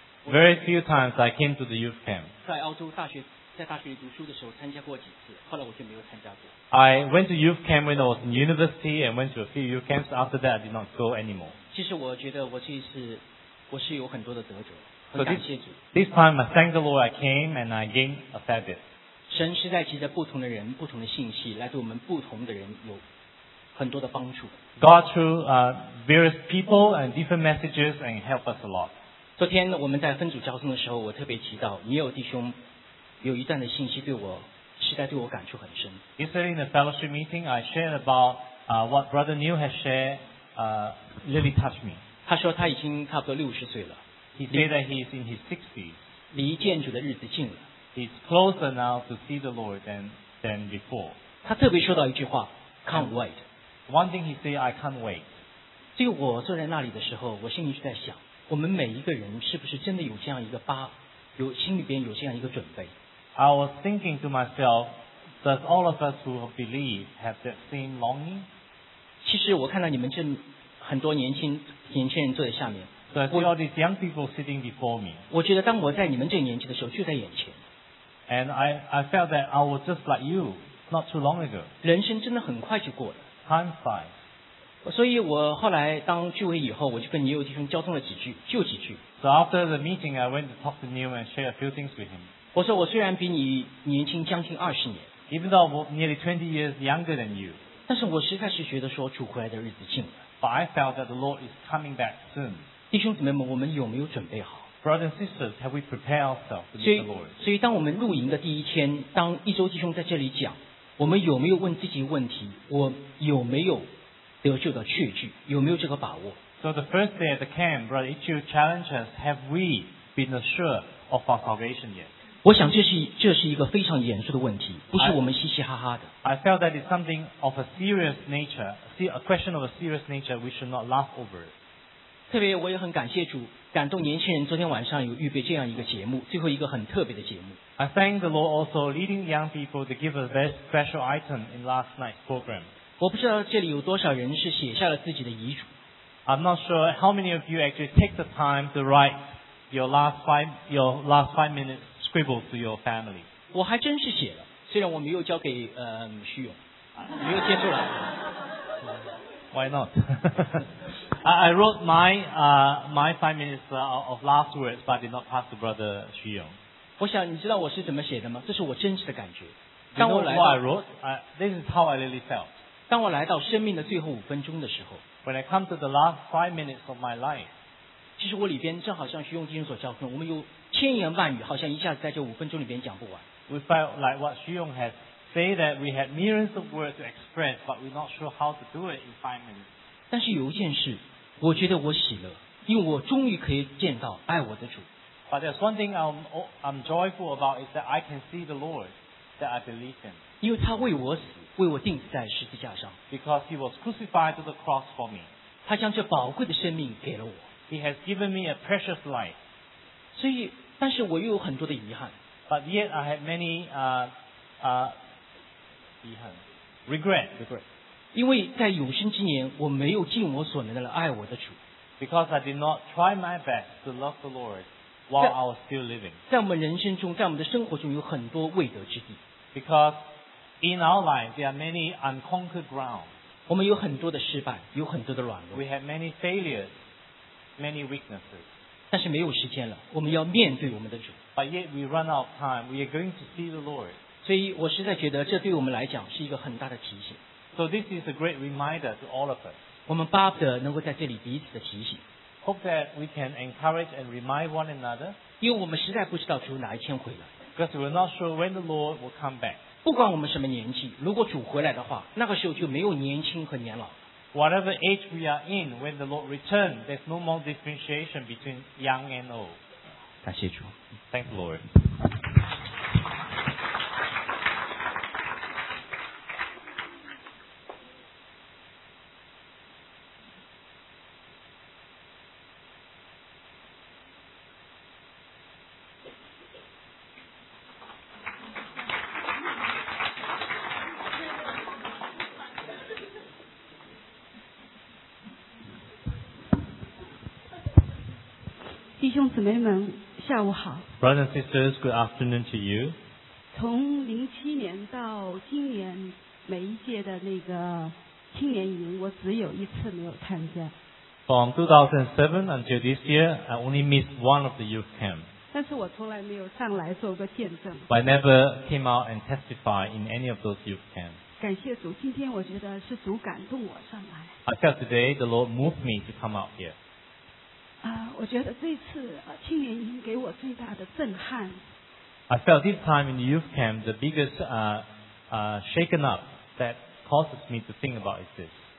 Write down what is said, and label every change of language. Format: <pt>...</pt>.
<en>Very few times I came to the youth camp.</en> <zh>在澳洲大学在大学读书的时候参加过几次，后来我就没有参加过。</zh> <en>I went to youth camp when I was in university and went to a few youth camps. After that, I did not go anymore.</en> <zh>其实我觉得我这一次我是有很多的得着，很感谢主。</zh> <en>This time, I thank the Lord. I came and I gained a fair bit.</en> <zh>神是在借着不同的人、不同的信息，来对我们不同的人有很多的帮助。</zh> <en>God through various people and different messages and help us a lot.</en> <zh>昨天我们在分组交通的时候，我特别提到也有弟兄。有一段的信息对我实在对我感触很深。</zh> <en>Yesterday in the fellowship meeting, I shared about what Brother Neil has shared. Really touched me.</en> <zh>他说他已经差不多六十岁了。</zh> <en>He said that he is in his 60s.</en> <zh>离见主的日子近了。</zh> <en>He's closer now to see the Lord than before.</en> <zh>他特别说到一句话 ，</zh> <en>Can't wait. One thing he said, I can't wait.</en> <zh>这个我坐在那里的时候，我心里就在想，我们每一个人是不是真的有这样一个疤？有心里边有这样一个准备。</zh> <en>I was thinking to myself, does all of us who believe have that same longing?</en> <zh>其实我看到你们这很多年轻人坐在下面。</zh> <en>So I see all these young people sitting before me.</en> <zh>我觉得当我在你们这年纪的时候，就在眼前。</zh> <en>And I felt that I was just like you, not too long ago.</en> <zh>人生真的很快就过了。</zh> <en>Time flies.</en> <zh>所以我后来当聚会以后，我就跟你有弟兄交通了几句，就几句。</zh> <en>So after the meeting, I went to talk to Neil and share a few things with him.</en> <zh>我说我虽然比你年轻将近二十年</zh> <en>，even though I'm nearly 20 years younger than you，</en> <zh>但是我实在是觉得说主回来的日子近了。</zh> <en>But I felt that the Lord is coming back soon.</en> <zh>弟兄姊妹们，我们有没有准备好</zh> <en>？Brothers and sisters, have we prepared ourselves to meet the Lord?</en> <zh>所以当我们露营的第一天，当一周弟兄在这里讲，我们有没有问自己问题？我有没有得救的确据？有没有这个把握？</zh> <en>So the first day at the camp, Brother Ichiu challenged us, have we been assured of our salvation yet?</en> <zh>我想这是一个非常严肃的问题，不是我们嘻嘻哈哈的。</zh> <en>I felt that it's something of a serious nature, a question of a serious nature, we should not laugh over it.</en> <zh>特别我也很感谢主，感动年轻人昨天晚上有预备这样一个节目，最后一个很特别的节目。</zh> <en>I thank the Lord also leading young people to give a very special item in last night's program.</en> <zh>我不知道这里有多少人是写下了自己的遗嘱。</zh> <en>I'm not sure how many of you actually take the time to write your last five minutes scribble to your family.</en> <zh>我还真是写了，虽然我没有交给徐勇，没有接出来。</zh> <en>Why not? I wrote my 5 minutes of last words, but did not pass to Brother 徐勇。</en> <zh>我想你知道我是怎么写的吗？这是我真实的感觉。当我来到</zh> <en>you know what I wrote? This is how I really felt.</en> <zh>当我来到生命的最后五分钟的时候。</zh> <en>When I come to the last 5 minutes of my life,</en> <zh>其实我里边正好像徐勇弟兄所教诲，我们有千言万语，好像一下子在这五分钟里边讲不完。</zh> <en>We felt like what 徐勇 has said that we had millions of words to express, but we're not sure how to do it in 5 minutes.</en> <zh>但是有一件事，我觉得我喜乐，因为我终于可以见到爱我的主。</zh> <en>But there's one thing I'm joyful about is that I can see the Lord that I believe in.</en> <zh>因为他为我死。为我钉死在十字架上</zh> <en>，because he was crucified to the cross for me，</en> <zh>他将这宝贵的生命给了我</zh> <en>，he has given me a precious life，</en> <zh>所以，但是我又有很多的遗憾</zh> <en>，but yet I have many regret，</en> <zh>因为在有生之年我没有尽我所能的爱我的主</zh> <en>，because I did not try my best to love the Lord while I was still living，</en> <zh>在我们人生中，在我们的生活中有很多未得之地</zh> <en>，because。 In our life, there are many unconquered ground.</en> <zh>我们有很多的失败，有很多的软弱。</zh> <en>We have many failures, many weaknesses.</en> <zh>但是没有时间了，我们要面对我们的主。</zh> <en>But yet we run out of time. We are going to see the Lord.</en> <zh>所以我实在觉得这对我们来讲是一个很大的提醒。</zh> <en>So this is a great reminder to all of us.</en> <zh>我们巴不得能够在这里彼此的提醒。</zh> <en>hope that we can encourage and remind one another. Because we're not sure when the Lord will come back.</en> <zh>不管我们什么年纪，如果主回来的话，那个时候就没有年轻和年老。</zh> <en>Whatever age we are in, when the Lord returns, there's no more differentiation between young and old.</en> <zh>感谢主。</zh> <en>Thank the Lord.</en> <zh>姊妹们，下午好。</zh> <en>Brothers and sisters, good afternoon to you.</en> <zh>从07年到今年每一届的那个青年营，我只有一次没有参加。</zh> <en>From 2007 until this year, I only missed one of the youth camp.</en> <zh>但是我从来没有上来做过见证。</zh> <en>But I never came out and testified in any of those youth camp.</en> <zh>感谢主，今天我觉得是主感动我上来。</zh> <en>I felt today the Lord moved me to come out here.</en> <zh>我觉得这次青年营给我最大的震撼。</zh> <en>I felt this time in the youth camp the biggest shaken up that causes me to think about is this.</en>